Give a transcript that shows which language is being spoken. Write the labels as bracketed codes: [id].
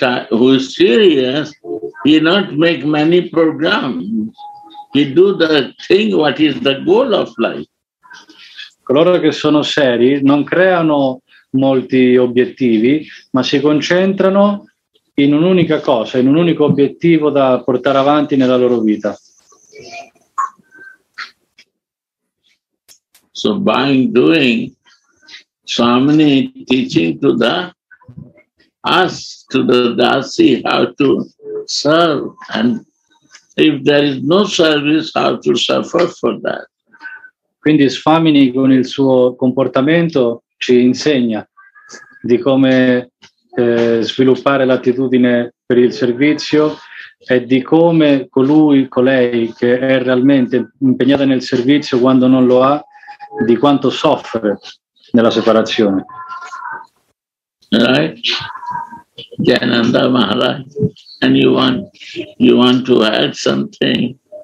[en] who is serious, he not make many programs. He do the thing what is the goal of life. [it] Coloro che sono seri non creano molti obiettivi, ma si concentrano in un'unica cosa, in un unico obiettivo da portare avanti nella loro vita. [en] So by doing so many teaching to the us, to the dasi, how to serve, and if there is no service, how to suffer for that. [it] Quindi Swamini con il suo comportamento ci insegna di come sviluppare l'attitudine per il servizio e di come colei che è realmente impegnata nel servizio, quando non lo ha, di quanto soffre nella separazione. [en] Right? Jananda Maharaj, and you want to add something?